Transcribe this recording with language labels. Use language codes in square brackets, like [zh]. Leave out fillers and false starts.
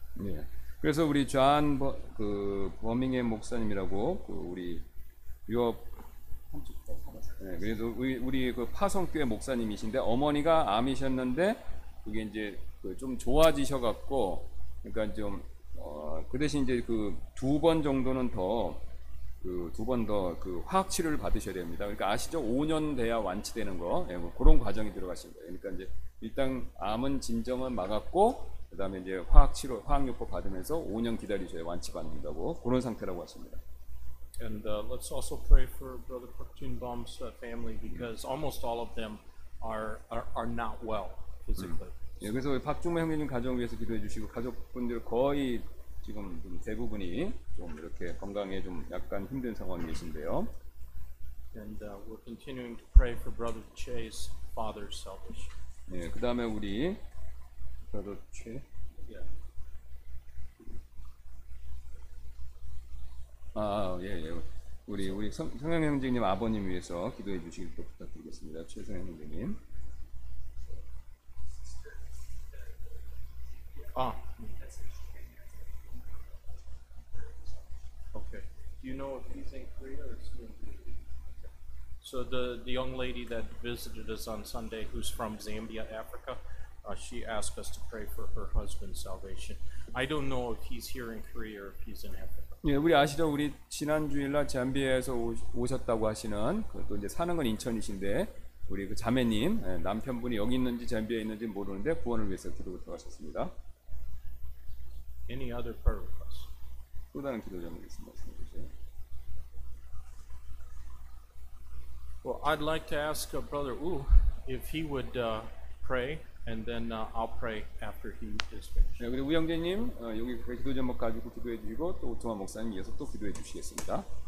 [ko] 네, 그래서 우리 존 그 버밍햄 목사님이라고 그 우리 유업 네, 그래서 우리 그 파송교회 목사님이신데 어머니가 암이셨는데 그게 이제 그 좀 좋아지셔갖고 그러니까 좀 그 대신 이제 그 두 번 정도는 더 그 두 번 더 그 화학 치료를 받으셔야 됩니다. 그러니까 아시죠? 5년 돼야 완치되는 거. 예, 뭐 그런 과정이 들어가신 거예요. 그러니까 이제 일단 암은 진정은 막았고 그다음에 이제 화학 치료 화학 요법 받으면서 5년 기다리셔야 완치 받는다고 그런 상태라고 하십니다. [en] And let's also pray for Brother Park Jin-bom's family because almost all of them are not well physically. [ko] 예, 그래서 박중무 형님 가정 위해서 기도해 주시고 가족분들 거의 지금 좀 대부분이 좀 이렇게 건강에 좀 약간 힘든 상황이 계신데요. [en] And we're continuing to pray for Brother Che's father's salvation. [ko] 예, 그다음에 우리 Brother Che. [en] Yeah. [ko] 아, 예, 예. 우리 성형 형제님 아버님 위해서 기도해 주시길 부탁드리겠습니다. 최성형 형제님. 아. [en] Okay. Do you know if he's in Korea or still? So the young lady that visited us on Sunday, who's from Zambia, Africa, she asked us to pray for her husband's salvation. I don't know if he's here in Korea or if he's in Africa. [ko] 예, 우리 아시죠? 우리 지난 주일날 잠비아에서 오셨다고 하시는 또 이제 사는 건 인천이신데 우리 그 자매님 남편분이 여기 있는지 잠비아에 있는지 모르는데 구원을 위해서 기도부터 하셨습니다. [en] Any other prayer requests? [ko] 또 다른 기도 제목 있으면 말씀해 주세요. [en] Well, I'd like to ask Brother Wu if he would pray, and then I'll pray after he is finished. [ko] 네, 그리고 우영재님 여기 기도 제목 가지고 기도해 주시고 또 오토마 목사님 위해서 또 기도해 주시겠습니다.